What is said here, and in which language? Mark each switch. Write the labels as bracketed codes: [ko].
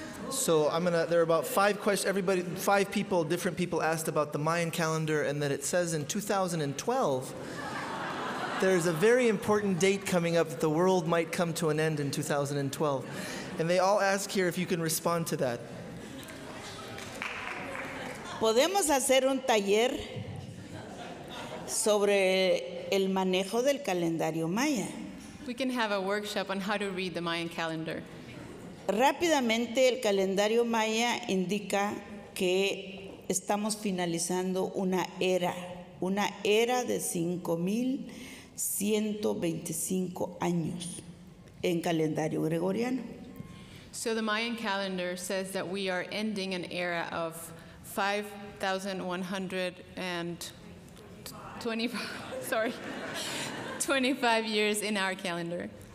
[en] So there are about five questions, different people asked about the Mayan calendar, and that it says in 2012, there's a very important date coming up that the world might come to an end in 2012. And they all ask here if you can respond to that. [es] ¿Podemos hacer un taller sobre el manejo del calendario Maya? [en] We can have a workshop on how to read the Mayan calendar. [es] Rápidamente, el calendario maya indica que estamos finalizando una era de 5,125 años en calendario gregoriano. [en] So the Mayan calendar says that we are ending an era of 25 years in our calendar.